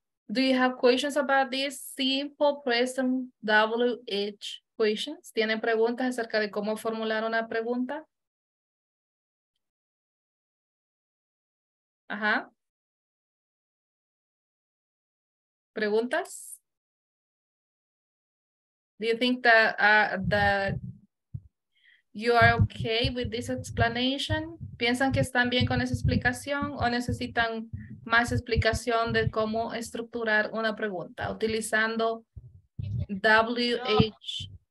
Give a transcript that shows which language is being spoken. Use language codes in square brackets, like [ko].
[en] Do you have questions about these simple present WH questions? [es] ¿Tienen preguntas acerca de cómo formular una pregunta? Ajá. ¿Preguntas? [en] Do you think that you are okay with this explanation? [es] ¿Piensan que están bien con esa explicación o necesitan más explicación de cómo estructurar una pregunta utilizando WH?